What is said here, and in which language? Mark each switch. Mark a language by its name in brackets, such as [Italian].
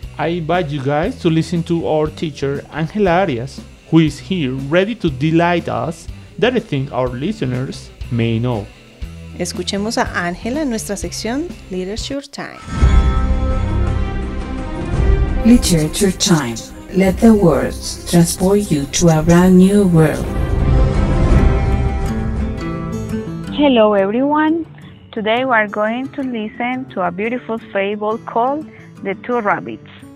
[English] I invite you guys to listen to our teacher Angela Arias, who is here ready to delight us that I think our listeners may know. [Spanish] Escuchemos a Angela en nuestra sección Literature Time. [English] Literature Time. Let the words transport you to a brand new world. Hello everyone. Today we are going to listen to a beautiful fable called The Two Rabbits.